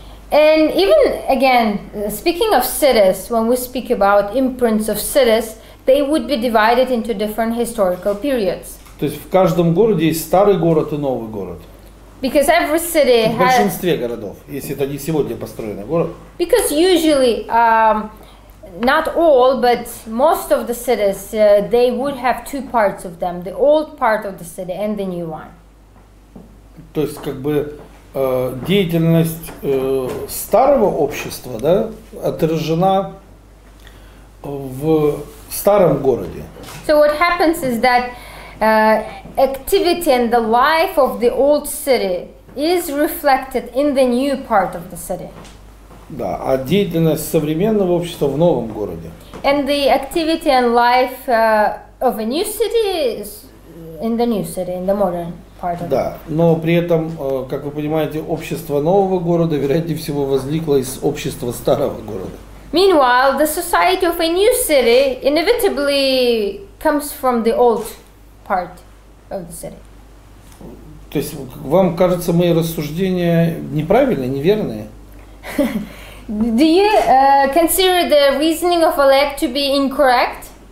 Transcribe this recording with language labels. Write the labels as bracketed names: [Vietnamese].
[English] And even again, speaking of cities, when we speak about imprints of cities, they would be divided into different historical periods. [Russian] То есть в каждом городе есть старый город и новый город. [English] Because every city [Russian] в большинстве городов, если это не сегодня построенный город. [English] Because usually, not all, but most of the cities, they would have two parts of them, the old part of the city and the new one. [Russian] То есть как бы деятельность старого общества, да, отражена в старом городе. [English] So what happens is that activity and the life of the old city is reflected in the new part of the city. [Russian] Да, а деятельность современного общества в новом городе. [English] And the activity and life of a new city is in the new city, in the modern part of [Russian] да, [English] it. [Russian] Но при этом, как вы понимаете, общество нового города, вероятнее всего, возникло из общества старого города. [English] Meanwhile, the society of a new city inevitably comes from the old part of the city. [Russian] То есть вам кажется, мои рассуждения неправильные, неверные? [English] Do you consider the reasoning of Oleg to be incorrect?